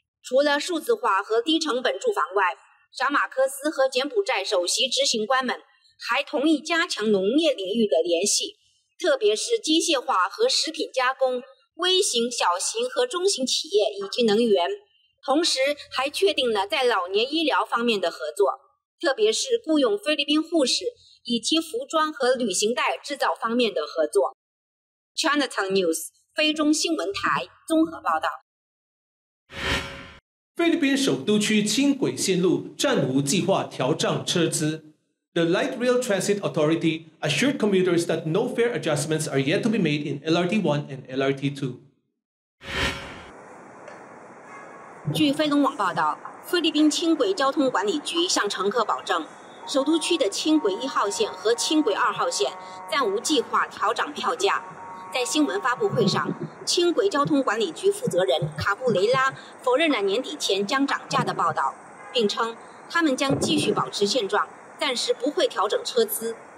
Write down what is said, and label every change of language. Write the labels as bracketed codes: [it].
[zh] 除了数字化和低成本住房外，小马克思和柬埔寨首席执行官们还同意加强农业领域的联系，特别是机械化和食品加工、微型、小型和中型企业以及能源，同时还确定了在老年医疗方面的合作，特别是雇用菲律宾护士以及服装和旅行袋制造方面的合作。 Chinatown News 菲中新闻台综合报道。菲律宾首都区轻轨线路暂无计划调涨车资。 [en] The Light Rail Transit Authority assured commuters that no fare adjustments are yet to be made in LRT1 and LRT2. [zh] 据飞龙网报道，菲律宾轻轨交通管理局向乘客保证，首都区的轻轨一号线和轻轨二号线暂无计划调涨票价。在新闻发布会上，轻轨交通管理局负责人卡布雷拉否认了年底前将涨价的报道，并称他们将继续保持现状，暂时不会调整车资。